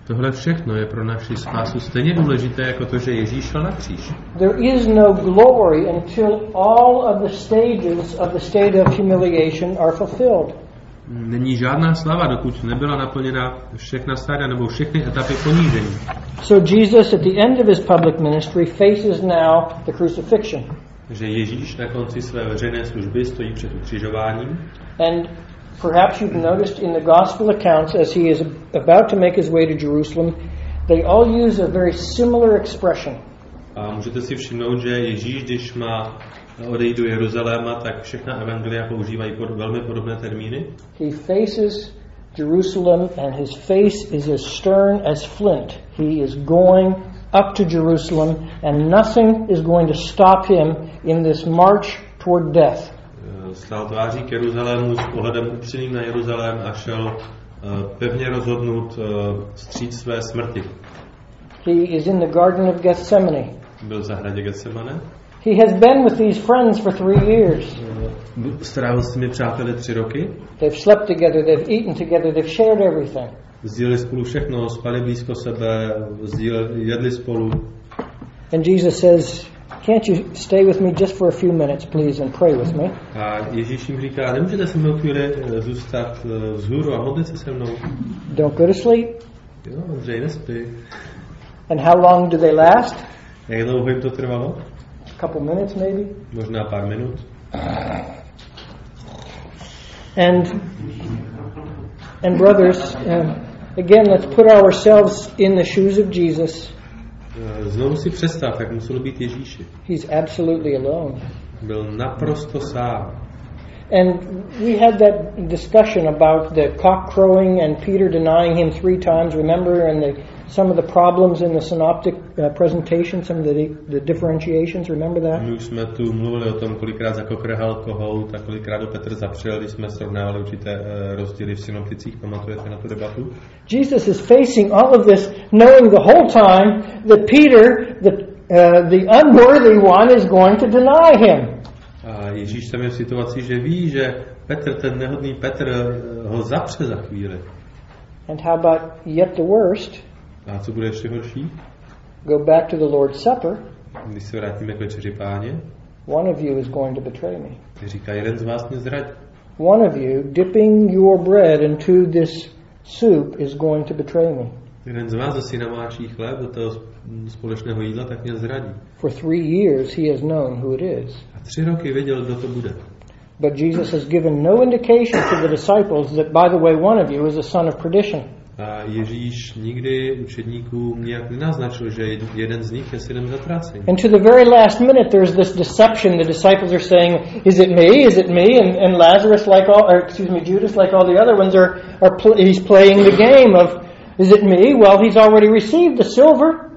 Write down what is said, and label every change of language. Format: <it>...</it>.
<cs>Tohle všechno je pro naši spásu stejně důležité jako to, že Ježíš šel na kříž.</cs> <en>There is no glory until all of the stages of the state of humiliation are fulfilled.</en> <cs>Není žádná sláva, dokud nebyla naplněna všechna stádia nebo všechny etapy ponížení.</cs> <en>So Jesus at the end of his public ministry faces now the crucifixion.</en> <cs>Že Ježíš na konci své veřejné služby stojí před ukřižováním.</cs> <en>And perhaps you've noticed in the gospel accounts as he is about to make his way to Jerusalem, they all use a very similar expression.</en> <cs>A můžete si všimnout, že Ježíš, když má odejít do Jeruzaléma, tak všechna evangelia používají velmi podobné termíny.</cs> <en>He faces Jerusalem and his face is as stern as flint. He is going up to Jerusalem and nothing is going to stop him in this march toward death.</en> <cs>Stál tváří k Jeruzalému s pohledem upřeným na Jeruzalém a šel pevně rozhodnut vstříc své smrti.</cs> <en>He is in the Garden of Gethsemane.</en> <cs>Byl v zahradě Getsemane.</cs> <en>He has been with these friends for 3 years.</en> <cs>Strávil s těmi přáteli 3 roky.</cs> <en>They've slept together, they've eaten together, they've shared everything.</en> <cs>Sdíleli spolu všechno, spali blízko sebe, jedli spolu.</cs> <en>And Jesus says, "Can't you stay with me just for a few minutes, please, and pray with me?"</en> <cs>A Ježíš jim říká, nemůžete se mnou chvíli zůstat vzhůru a modlit se se mnou?</cs> <en>Don't go to sleep.</en> <cs>Jo, že nespí.</cs> <en>And how long do they last?</en> <cs>Jak dlouho jim to trvalo?</cs> <en>Couple minutes, maybe.</en> <cs>Možná pár minut.</cs> <en>And brothers, again, let's put ourselves in the shoes of Jesus.</en> <cs>Znovu si představ, jak musel být Ježíši.</cs> <en>He's absolutely alone.</en> <cs>Byl naprosto sám.</cs> <en>And we had that discussion about the cock crowing and Peter denying him 3 times. Remember, and some of the problems in the synoptic presentation, some of the differentiations. Remember that?</en> <cs>My už jsme tu mluvili o tom, kolikrát zakokrhal kohout a kolikrát ho Petr zapřel, když jsme srovnávali určité rozdíly v synopticích. Pamatujete na tu debatu?</cs> <en>Jesus is facing all of this, knowing the whole time that Peter, the unworthy one, is going to deny him.</en> <cs>A Ježíš tam je v situaci, že ví, že Petr, ten nehodný Petr, ho zapře za chvíli.</cs> <en>And how about yet the worst?</en> <cs>A co bude ještě horší?</cs> <en>Go back to the Lord's Supper.</en> <cs>Když se vrátíme k večeři Páně.</cs> <en>One of you is going to betray me.</en> <cs>Říká, jeden z vás mě zradí.</cs> <en>One of you dipping your bread into this soup is going to betray me.</en> <cs>Jeden z vás asi namáčí chléb do toho společného jídla, tak mě zradí.</cs> <en>For 3 years he has known who it is.</en> <cs>A 3 roky věděl, kdo to bude.</cs> <en>But Jesus has given no indication to the disciples that, by the way, one of you is a son of perdition.</en> <cs>A Ježíš nikdy učedníkům nijak nenaznačil, že jeden z nich je synem zatracení.</cs> <en>And to the very last minute there's this deception. The disciples are saying, "Is it me? Is it me?" And Lazarus, like all, or excuse me, Judas, like all the other ones, he's playing the game of, "Is it me? Well, he's already received the silver."</en>